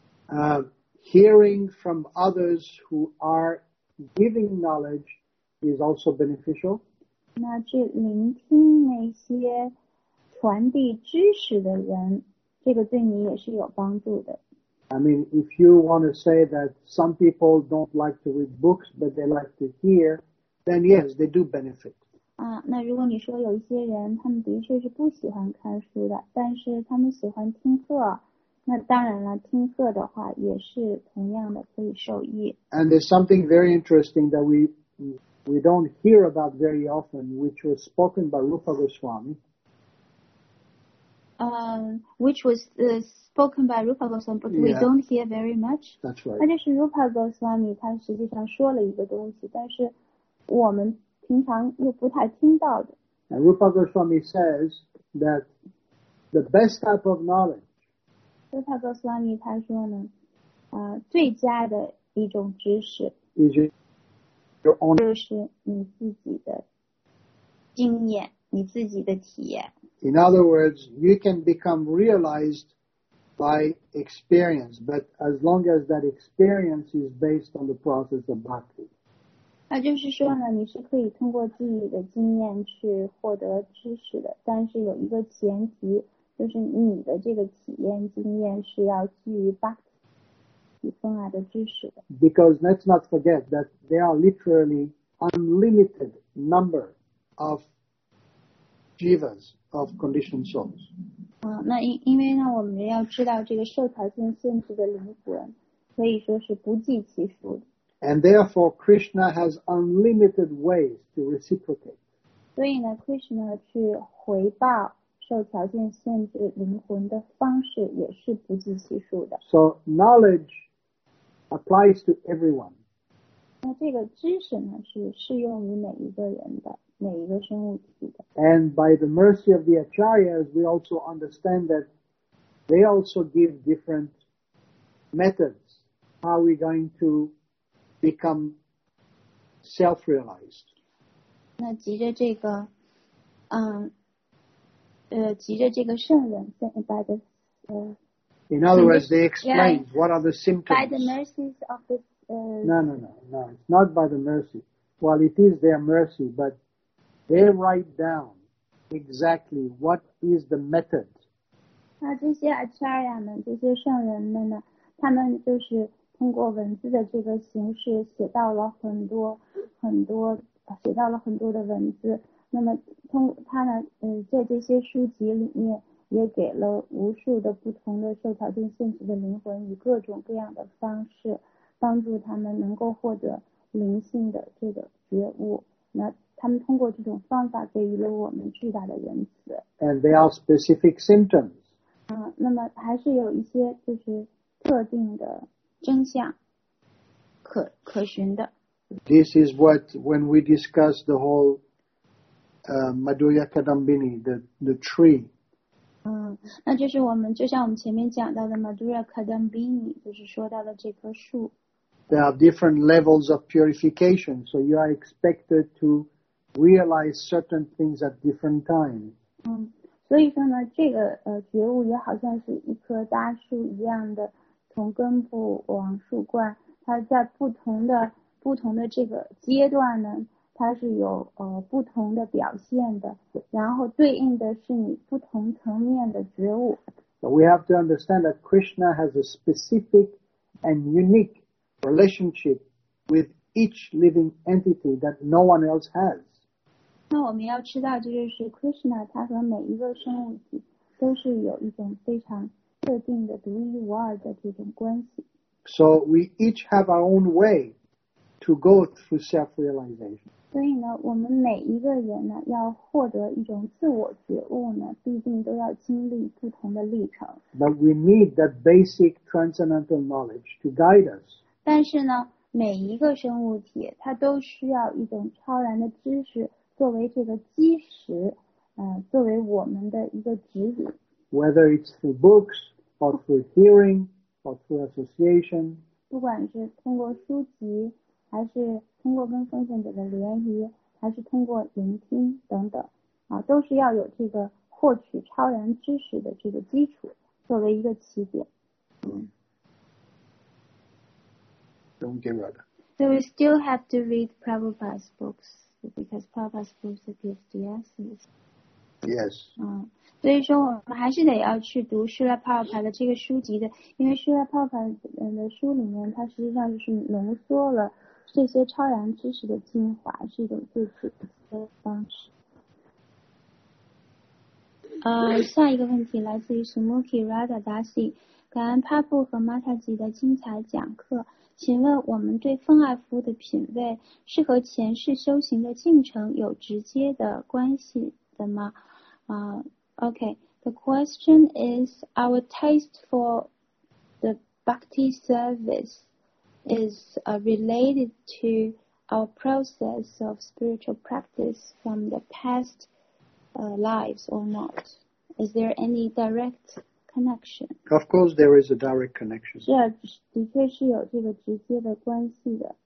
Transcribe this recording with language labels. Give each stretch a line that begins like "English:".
English: Hearing from others who are giving knowledge. Is also beneficial.
Chinese: 那去聆听那些传递知识的人，这个对你也是有帮助的。
English: I mean, if you want to say that some people don't like to read books, but they like to hear, then yes, they do benefit.
Chinese: 那如果你说有一些人，他们的确是不喜欢看书的，但是他们喜欢听课，那当然了，听课的话也是同样的可以受益。
English: And there's something very interesting that we don't hear about very often, which was spoken by Rupa Goswami. Which was spoken by Rupa Goswami, but yeah, we don't hear very much. That's right.
Chinese: 那就是 Rupa Goswami 他实际上说了一个东西，但是我们平常又不太听到的。
English: And Rupa Goswami says that the best type of knowledge.
Chinese: Rupa Goswami 他说呢，最佳的一种知识。
English: Your own.
Chinese: 就是你自己的经验，你自己的体验。
English: In other words, you can become realized by experience, but as long as that experience is based on the process of bhakti.
Chinese: 那就是说呢，你是可以通过自己的经验去获得知识的，但是有一个前提，就是你的这个体验经验是要基于 bhakti.
English: Because let's not forget that there are literally unlimited number of jivas of conditioned souls.
Chinese: 那因为我们要知道这个受条件限制的灵魂可以说是不计其数。
English: And therefore, Krishna has unlimited ways to reciprocate.
Chinese: 所以呢 ，Krishna 去回报受条件限制灵魂的方式也是不计其数的。
English: So knowledge applies to everyone.
Chinese: 那这个知识呢，是适用于每一个人的，每一个生物体的。
English: And by the mercy of the acharyas, we also understand that they also give different methods. How are we going to become self-realized?
Chinese: 那急着这个，急着这个圣人 ，
English: by the In other words, they explain what are the symptoms. By the mercies of the No. It's not by the mercy. Well, it is their mercy, but they write down exactly what is the method.
Chinese: 那这些 acharya 们，这些圣人们呢，他们就是通过文字的这个形式写到了很多很多，写到了很多的文字。那么通他呢，在这些书籍里面也给了无数的不同的受条件限制的灵魂以各种各样的方式帮助他们能够获得灵性的这个觉悟。那他们通过这种方法给予了我们巨大的仁慈。
English: And they are specific symptoms.
Chinese: 那么还是有一些就是特定的真相可寻的。
English: This is what when we discuss the whole Madhurya Kadambini, the tree.
Chinese: 那就是我们就像我们前面讲到的 Madhurya Kadambini, 就是说到的这棵树。
English: There are different levels of purification, so you are expected to realize certain things at different times.
Chinese: 所以说呢，这个觉悟也好像是一棵大树一样的，从根部往树冠，它在不同的这个阶段呢。它是有不同的表现的，然后对应的是你不同层面的觉悟。
English: But we have to understand that Krishna has a specific and unique relationship with each living entity that no one else has.
Chinese: 那我们要知道，就是 Krishna 他和每一个生物体都是有一种非常特定的、独一无二的这种关系。
English: So we each have our own way. To go through self-realization.
Chinese: 所以呢，我们每一个人呢，要获得一种自我觉悟呢，必定都要经历不同的历程。
English: But we need that basic transcendental knowledge to guide us.
Chinese: 但是呢，每一个生物体它都需要一种超然的知识作为这个基石，作为我们的一个指引。
English: Whether it's through books or through hearing or through association.
Chinese: 不管是通过书籍。还是通过跟奉献者的联谊，还是通过聆听等等，都是要有这个获取超然知识的这个基础作为一个起点。
English: Don't give up. So we still have to read Prabhupada's books because Prabhupada's books gives the essence. Yes.
Chinese: 所以说我们还是得要去读Srila Prabhupada的这个书籍的，因为Srila Prabhupada的书里面，它实际上就是浓缩了。这些超然知识的精华是一种最直接的方式。下一个问题来自于 Sumuki Radha Dasi， 感恩帕布和 Mataji 的精彩讲课。请问我们对奉爱服务的品位是和前世修行的进程有直接的关系的吗？
English: Okay, the question is our taste for the bhakti service. Is related to our process of spiritual practice from the past lives or not? Is there any direct connection? Of course, there is a direct connection.
Chinese: 是啊，的确是有这个直接的关系的。